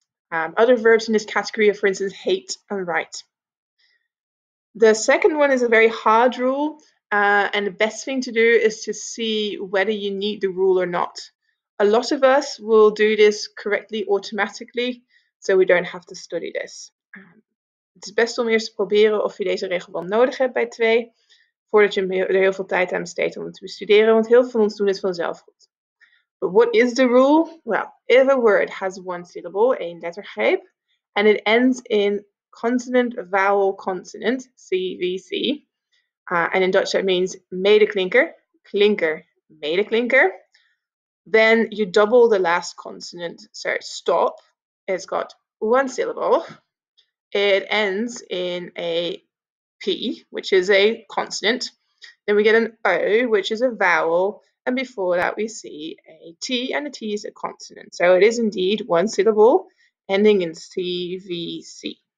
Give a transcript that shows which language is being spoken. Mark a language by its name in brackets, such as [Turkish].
[English] Other verbs in this category are, for instance, hate and write. The second one is a very hard rule, and the best thing to do is to see whether you need the rule or not. A lot of us will do this correctly automatically, so we don't have to study this. [Dutch] Het is best om eerst te proberen of je deze regel wel nodig hebt bij twee, voordat je er heel veel tijd aan besteedt om het te bestuderen, want heel veel van ons doen het vanzelf goed. [English] But what is the rule? Well, if a word has one syllable, [Dutch] één lettergreep, [English] and it ends in consonant, vowel, consonant, CVC, and in Dutch that means [Dutch] medeklinker, klinker, medeklinker, [English] then you double the last consonant, so stop, it's got one syllable, it ends in a P, which is a consonant, then we get an O, which is a vowel, and before that we see a T, and a T is a consonant, so it is indeed one syllable ending in CVC.